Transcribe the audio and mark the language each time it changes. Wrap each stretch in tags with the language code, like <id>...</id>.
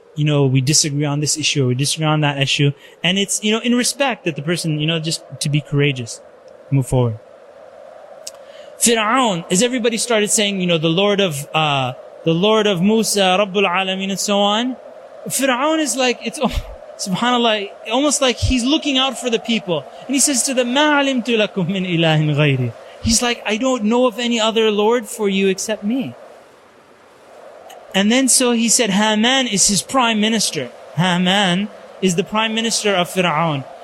<en>you know, we disagree on this issue or we disagree on that issue. And it's, you know, in respect that the person, you know, just to be courageous, move forward. Fir'aun, as everybody started saying, you know, the Lord of Musa, Rabbul Alameen, and so on. Fir'aun is like, subhanAllah, almost like he's looking out for the people. And he says to them,</en> <ar>مَا عَلِمْتُ لَكُمْ مِنْ إِلَهٍ غَيْرِ.</ar> <en>He's like, I don't know of any other Lord for you except me. And then so he said, Haman is his prime minister. Haman is the prime minister of Fir'aun.</en>